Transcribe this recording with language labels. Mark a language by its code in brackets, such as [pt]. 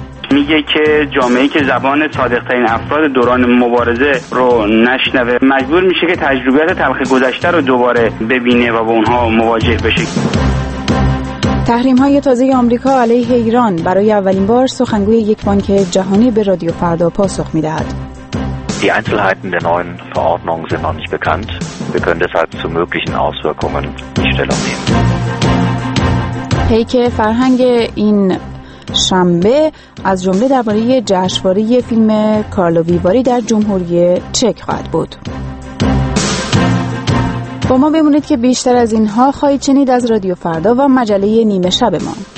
[fa] میگه که جامعه‌ای که زبان صادق‌ترین افراد دوران مبارزه رو نشنوه مجبور میشه که تجربیات تلخ گذشته رو دوباره ببینه و با اونها مواجه بشه. تحریم‌های تازه آمریکا علیه ایران، برای اولین بار سخنگوی یک بانک جهانی به رادیو فردا پاسخ می‌دهد. [de] Die Einzelheiten der neuen Verordnung sind noch nicht bekannt. Wir können deshalb zu möglichen Auswirkungen nicht Stellung nehmen. [fa] پیک فرهنگ این شنبه از جمله درباره جشنواره فیلم کارلو ویواری در جمهوری چک خواهد بود. با ما بمونید که بیشتر از اینها خواهید شنید از رادیو فردا و مجله نیمه شب ما.